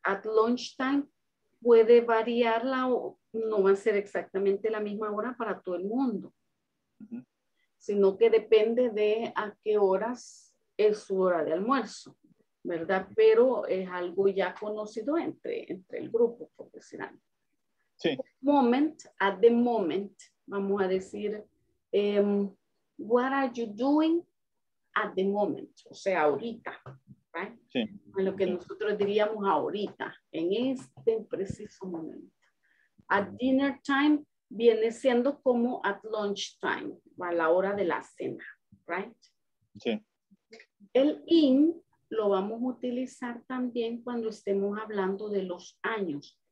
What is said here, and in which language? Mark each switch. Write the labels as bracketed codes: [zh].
[en] At lunchtime [es] puede variar la o no va a ser exactamente la misma hora para todo el mundo. Uh-huh. Sino que depende de a qué horas es su hora de almuerzo, ¿verdad? Pero es algo ya conocido entre el grupo, por decir algo. Sí. [en] Moment, at the moment, [es] vamos a decir, [en] what are you doing at the moment? [es] O sea, ahorita, [en] right? [es] Sí. Lo que nosotros diríamos ahorita, en este preciso momento. [en] At dinner time, [es] viene siendo como [en] at lunch time, [es] a la hora de la cena, [en] right? [es] Sí. El in lo vamos a utilizar también cuando estemos hablando de los años.